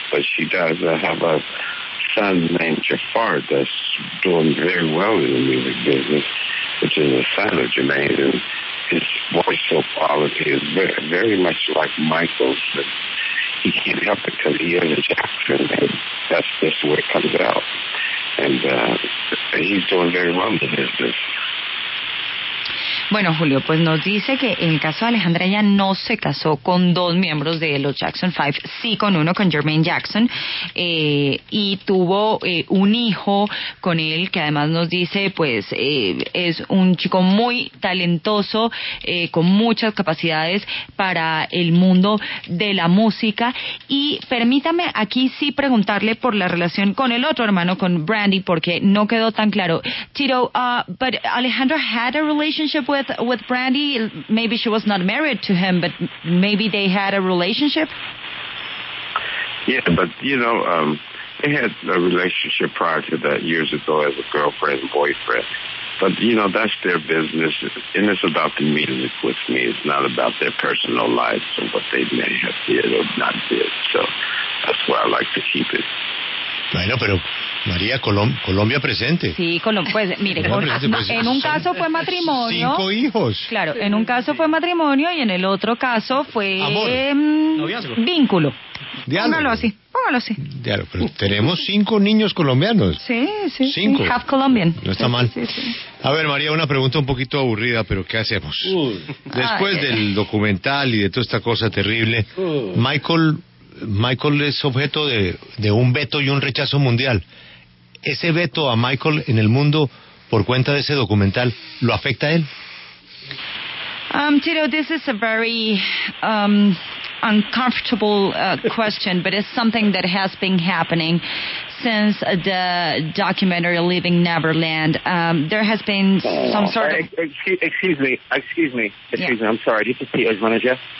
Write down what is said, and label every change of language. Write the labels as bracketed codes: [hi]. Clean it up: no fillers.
[en] But she does have a son named Jafar that's doing very well in the music business, which is a son of Jermaine, and his voice so quality is very, very much like Michael's, but he can't help it because he is a Jackson, and that's just where it comes out. And he's doing very well in the business. [es] Bueno, Julio, pues nos dice que en el caso de Alejandra, ella no se casó con dos miembros de los Jackson 5, sí con uno, con Jermaine Jackson, y tuvo un hijo con él, que además nos dice, pues es un chico muy talentoso, con muchas capacidades para el mundo de la música. Y permítame aquí sí preguntarle por la relación con el otro hermano, con Brandy, porque no quedó tan claro. [en] Tito, but Alejandra had a relationship with Brandy. Maybe she was not married to him, but maybe they had a relationship. Yeah, but you know, they had a relationship prior to that, years ago, as a girlfriend and boyfriend. But you know, that's their business, and it's about the music with me. It's not about their personal lives and what they may have did or not did. So that's why I like to keep it. [es] Bueno, pero María, Colombia presente. Sí, pues mire, en un caso fue matrimonio. Cinco hijos. Claro, en un caso fue matrimonio y en el otro caso fue noviazgo. Vínculo. Diálogo. Póngalo así. Diálogo, pero tenemos cinco niños colombianos. Sí. Cinco. [en] Half Colombian. [es] No está mal. Sí. A ver, María, una pregunta un poquito aburrida, pero ¿qué hacemos? Después del documental y de toda esta cosa terrible, Michael es objeto de un veto y un rechazo mundial. ¿Ese veto a Michael en el mundo por cuenta de ese documental lo afecta a él? [en] Tito, this is a very uncomfortable question, but it's something that has been happening since the documentary Leaving Neverland. There has been some sort of... Excuse me. I'm sorry. This is Tito's manager.